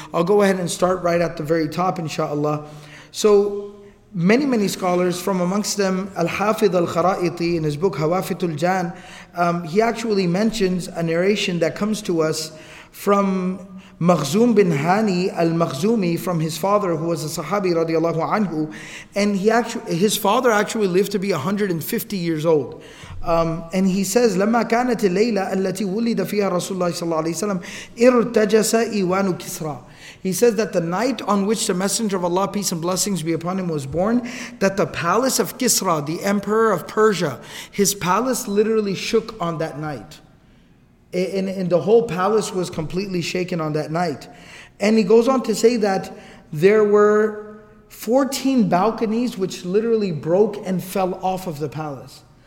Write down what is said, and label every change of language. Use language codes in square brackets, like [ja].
[en] I'll go ahead and start right at the very top, inshallah. So many, many scholars, from amongst them Al-Hafidh Al-Khara'iti, in his book Hawafitul Jan, he actually mentions a narration that comes to us from Makhzum bin Hani Al-Makhzumi, from his father, who was a Sahabi radiallahu anhu, and his father actually lived to be 150 years old. And he says, [ar] لَمَّا كَانَتِ اللَّيْلَةَ الَّتِي وُلِّدَ فِيهَا رَسُولُ اللَّهِ صَلَّى اللَّهِ عَلَيْهِ وَسَلَّمَ إِرْتَجَسَ إِوَانُ كِسْرَى. [en] He says that the night on which the Messenger of Allah, peace and blessings be upon him, was born, that the palace of Kisra, the emperor of Persia, his palace literally shook on that night. And the whole palace was completely shaken on that night. And he goes on to say that there were 14 balconies which literally broke and fell off of the palace.